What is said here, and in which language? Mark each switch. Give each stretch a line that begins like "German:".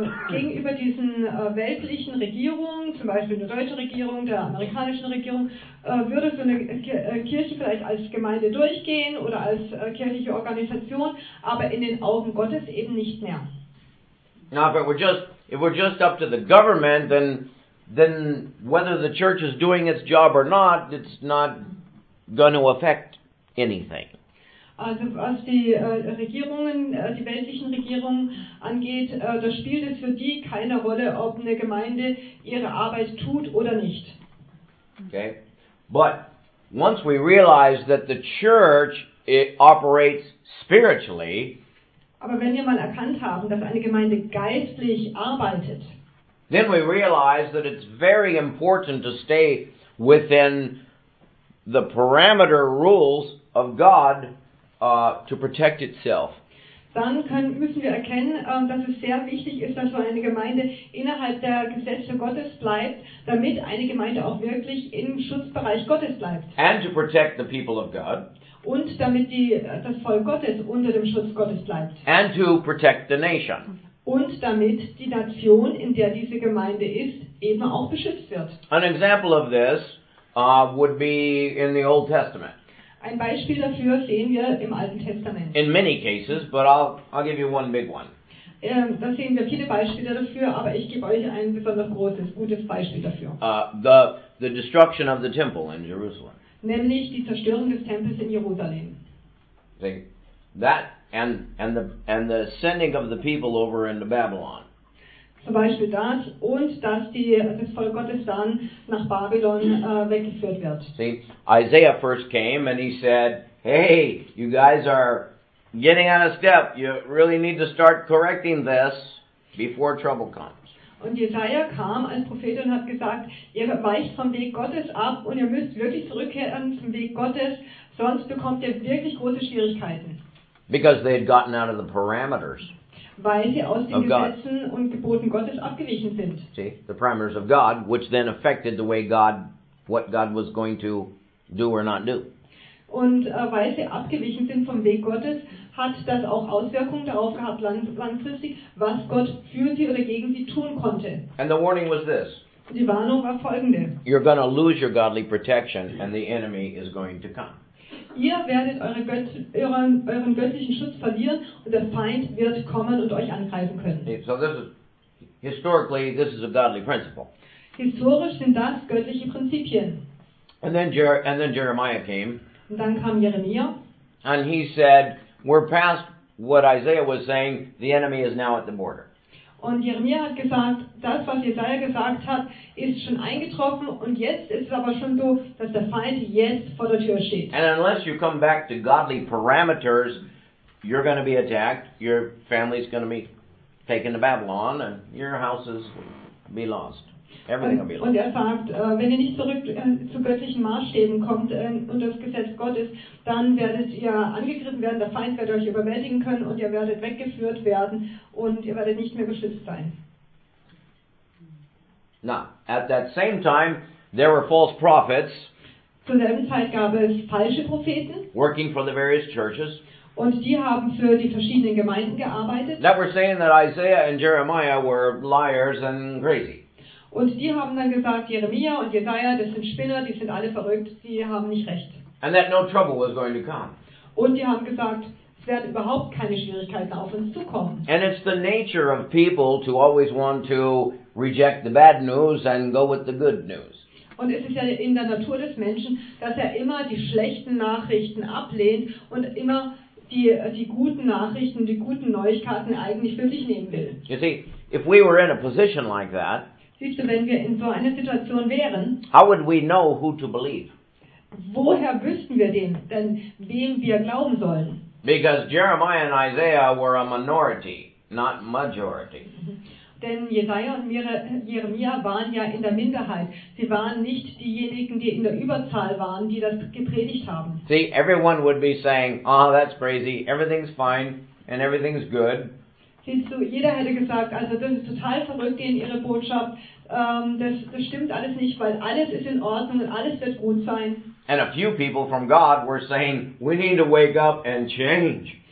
German: Gegenüber diesen weltlichen Regierungen, zum Beispiel der deutschen Regierung, der amerikanischen Regierung, würde so eine Kirche vielleicht als Gemeinde durchgehen oder als kirchliche Organisation, aber in den Augen Gottes eben nicht mehr.
English: Now, if we're just up to the government, then whether the church is doing its job or not, it's not going to affect anything.
German: Also was die Regierungen, die weltlichen Regierungen angeht, da spielt es für die keine Rolle, ob eine Gemeinde ihre Arbeit tut oder nicht.
English: Okay, but once we realize that the church it operates spiritually,
German: aber wenn wir mal erkannt haben, dass eine Gemeinde geistlich arbeitet,
English: then we realize that it's very important to stay within the parameter rules of God. To protect itself.
German: Dann müssen wir erkennen, dass es sehr wichtig ist, dass so eine Gemeinde innerhalb der Gesetze Gottes bleibt, damit eine Gemeinde auch wirklich im Schutzbereich Gottes bleibt.
English: And to protect the people of God.
German: Und damit das Volk Gottes unter dem Schutz Gottes bleibt.
English: And to protect the nation.
German: Und damit die Nation, in der diese Gemeinde ist, eben auch beschützt wird.
English: An example of this would be in the Old Testament.
German: Ein Beispiel dafür sehen wir im Alten Testament.
English: In many cases, but I'll give you one big one.
German: Da sehen wir viele Beispiele dafür, aber ich gebe euch ein besonders großes, gutes Beispiel dafür.
English: The destruction of the temple in Jerusalem.
German: Nämlich die Zerstörung des Tempels in Jerusalem.
English: See, that and the sending of the people over into Babylon.
German: Zum Beispiel das und dass das Volk Gottes dann nach Babylon weggeführt wird.
English: See, Isaiah first came and he said, "Hey, you guys are getting out of step. You really need to start correcting this before trouble comes."
German: Und Jesaja kam als Prophet und hat gesagt, ihr weicht vom Weg Gottes ab und ihr müsst wirklich zurückkehren zum Weg Gottes, sonst bekommt ihr wirklich große Schwierigkeiten.
English: Because they had gotten out of the parameters.
German: Weil sie aus den Gesetzen und Geboten Gottes abgewichen sind.
English: See, the parameters of God, which then affected the way God, what God was going to do or not do.
German: Und weil sie abgewichen sind vom Weg Gottes, hat das auch Auswirkungen darauf gehabt, langfristig, was Gott für sie oder gegen sie tun konnte.
English: And the warning was this.
German: Die Warnung war folgende.
English: You're going to lose your godly protection and the enemy is going to come.
German: Ihr werdet euren göttlichen Schutz verlieren und der Feind wird kommen und euch angreifen können.
English: So this is, historically, this is a godly principle.
German: Historisch sind das göttliche Prinzipien.
English: And then Jeremiah came.
German: Und dann kam Jeremia.
English: And he said, we're past what Isaiah was saying, the enemy is now at the border.
German: Und Jeremia hat gesagt, das, was Jesaja gesagt hat, ist schon eingetroffen und jetzt ist es aber schon so, dass der Feind jetzt vor der Tür steht.
English: And unless you come back to godly parameters, you're going to be attacked, your family's going to be taken to Babylon and your houses will be lost. Everything will be lost.
German: Und er sagt, wenn ihr nicht zurück zu göttlichen Maßstäben kommt und das Gesetz Gottes, dann werdet ihr angegriffen werden, der Feind wird euch überwältigen können und ihr werdet weggeführt werden und ihr werdet nicht mehr geschützt sein.
English: Now, at that same time, there were false prophets.
German: Zur selben Zeit gab es falsche Propheten.
English: Working for the various churches.
German: Und die haben für die verschiedenen Gemeinden gearbeitet.
English: That were saying that Isaiah and Jeremiah were liars and crazy.
German: Und die haben dann gesagt, Jeremia und Jesaja, das sind Spinner, die sind alle verrückt, die haben nicht recht.
English: And that no trouble was going to come.
German: Und die haben gesagt, es werden überhaupt keine Schwierigkeiten auf uns zukommen.
English: And it's the nature of people to always want to reject the bad news and go with the good news.
German: Und es ist ja in der Natur des Menschen, dass immer die schlechten Nachrichten ablehnt und immer die guten Nachrichten, die guten Neuigkeiten eigentlich für sich nehmen will.
English: You see, if we were in a position like that,
German: siehst du, wenn wir in so einer Situation wären,
English: how would we know who to believe?
German: Woher wüssten wir denn, wem wir glauben sollen?
English: Because Jeremiah and Isaiah were a minority, not majority.
German: Denn Jesaja und Jeremia waren ja in der Minderheit. Sie waren nicht diejenigen, die in der Überzahl waren, die das gepredigt haben.
English: See, everyone would be saying, oh, that's crazy, everything's fine and everything's good.
German: Siehst du, jeder hätte gesagt, also das ist total verrückt in ihre Botschaft. Das stimmt alles nicht, weil alles ist in Ordnung und alles wird gut sein.
English: And a few people from God were saying, we need to wake up and change.